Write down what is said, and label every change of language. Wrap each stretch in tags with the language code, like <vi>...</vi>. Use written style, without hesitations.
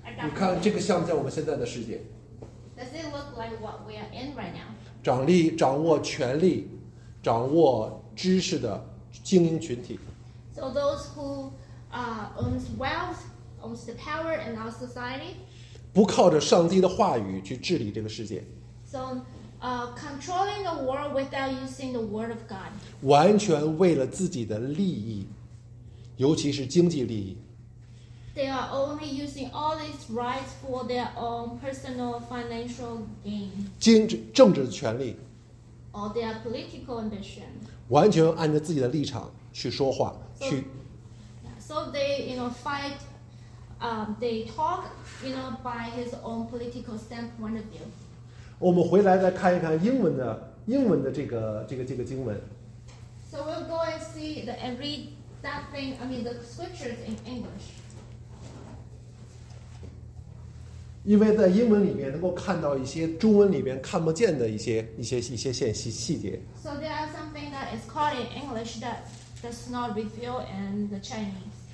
<zh>你看这个像不像我们现在的世界？</zh> <en>Does it look like what we are in right now?</en> <zh>掌力，掌握权力，掌握知识的精英群体。</zh> <en>So those who owns wealth, owns the power in our society.</en> <zh>不靠着上帝的话语去治理这个世</zh> <en>界。So controlling the world without using the word of God.</en> <zh>完全为了自己的利益，尤其是经济利益。</zh> <en>They are only using all these rights for their own personal financial gain.</en> <zh>政治权利</zh> <en>or their political ambition.</en> <zh>完全按照自己的立场去说话</zh> <en>So they, you know, fight. They talk, you know, by his own political standpoint of view.</en> <zh>我们回来再看一看英文的这个经文</zh> <en>So we'll go and see the and read that thing. I mean, the scriptures in English.</en> <zh>因为在英文里面能够看到一些中文里面看不见的一些信息细节。</zh> <en>So there are something that is called in English that does not reveal in the Chinese.</en>